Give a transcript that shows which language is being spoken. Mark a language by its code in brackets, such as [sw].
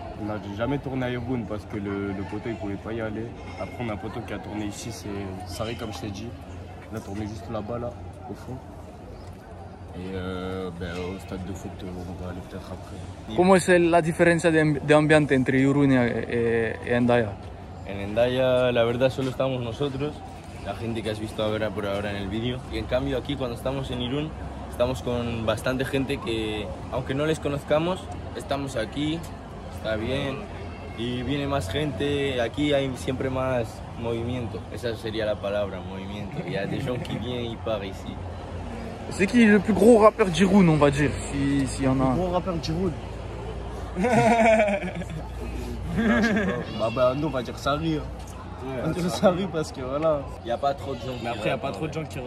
[fr] Non, j'ai jamais tourné à Irun parce que le poteau il pouvait pas y aller. Après on a un poteau qui a tourné ici, c'est Sari comme je t'ai dit. Il a tourné juste là-bas, là, au fond. Et au stade de foot, on va aller peut-être après. Comment c'est la différence d'ambiance entre Irun et Hendaya? [es] En Hendaya, la verdad, solo estamos nosotros, la gente que has visto ahora por ahora en el vídeo. Y en cambio, aquí, cuando estamos en Irun, estamos con bastante gente que, aunque no les conozcamos, estamos aquí, está bien, y viene más gente, aquí hay siempre más movimiento. Esa sería la palabra, movimiento. Y hay [fr] des gens qui viennent y partent ici. C'est qui le plus gros rappeur d'Irun, on va dire, s'il y en a un. Le gros rappeur d'Irun. Bah, nous, on va dire Sari. Hein. Ouais, on dit Sari parce que voilà. Il n'y a pas trop de gens. Mais après, il n'y a pas trop de gens qui rappent.